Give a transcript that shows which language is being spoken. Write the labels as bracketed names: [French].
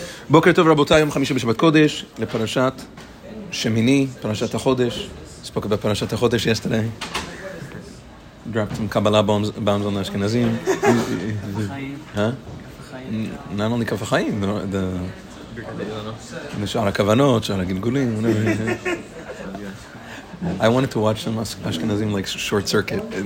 [Hebrew] בוקר טוב רבותיי, יום חמישי בשבת קודש, לפרשת שמיני, פרשת החודש. ספקת בפרשת החודש [English] yesterday. Dropped some קבלה bombs on the אשכנזים. [Hebrew] החיים. [English] Huh? Not only כף החיים, the... [Hebrew] נשאר הכוונות, שאר הגלגולים. [English] I wanted to watch them אשכנזים like short circuit.